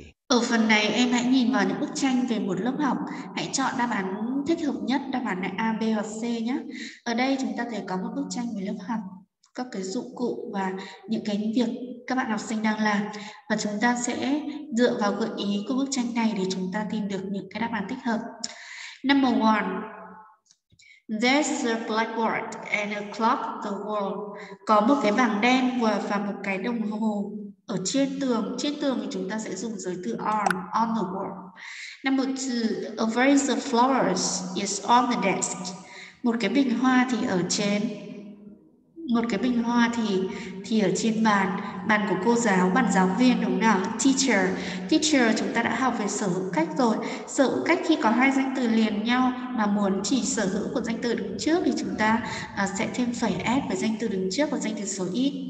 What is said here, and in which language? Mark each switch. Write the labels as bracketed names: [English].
[Vietnamese] Ở phần này em hãy nhìn vào những bức tranh về một lớp học, hãy chọn đáp án thích hợp nhất, đáp án là A, B hoặc C nhé. Ở đây chúng ta thấy có một bức tranh về lớp học, các cái dụng cụ và những cái việc các bạn học sinh đang làm, và chúng ta sẽ dựa vào gợi ý của bức tranh này để chúng ta tìm được những cái đáp án thích hợp. [English] Number 1. There's a blackboard and a clock on the wall. [Vietnamese] Có một cái bảng đen và một cái đồng hồ ở trên tường. Trên tường thì chúng ta sẽ dùng giới từ [English] on the wall. Number 2. A vase of flowers is on the desk. [Vietnamese] Một cái bình hoa thì ở trên bàn, bàn của cô giáo, bàn giáo viên đúng không nào? Teacher, chúng ta đã học về sở hữu cách rồi. Sở hữu cách khi có hai danh từ liền nhau mà muốn chỉ sở hữu của danh từ đứng trước thì chúng ta sẽ thêm phẩy s với danh từ đứng trước và danh từ số ít.